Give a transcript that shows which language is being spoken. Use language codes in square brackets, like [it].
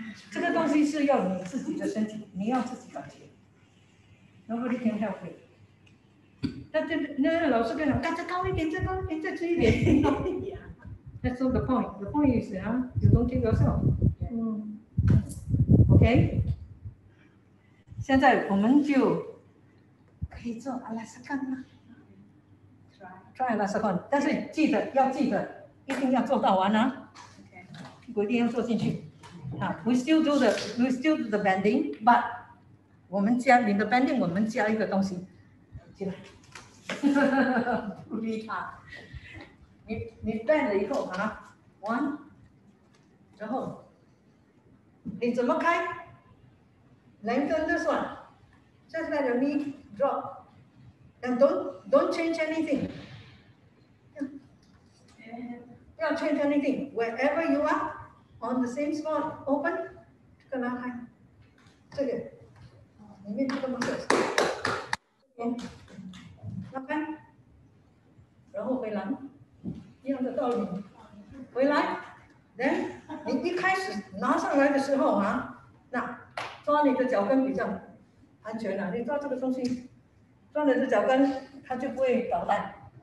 [zh] 这个东西是要你自己的身体，你要自己感觉。 [en] Nobody can help it. [zh] 那老师跟你说，再高一点，再高一点，再低一点。 [en] That's all the point. The point is, you don't kill yourself. [zh] Okay. 现在我们就可以做阿拉斯干吗？Try 阿拉斯干，但是记得，一定要做到完啊。我一定要做进去。 [en] We still do the bending, but [zh] 我们加你的 bending， 我们加一个东西，进来，鼓励他。你 bend 了以后啊 [en] ，one， [zh] 然后你怎么开 [en] ？Lengthen this one， just let the knee drop， and don't change anything， and 不要 change anything， wherever you are。 On the same spot, open. [zh] 这个拉开，这个，里面这个东西，拉开，然后回来，一样的道理，回来。 Then 你一开始拿上来的时候啊，那抓你的脚跟比较安全了、啊。你抓这个东西，抓你的脚跟，它就不会倒来。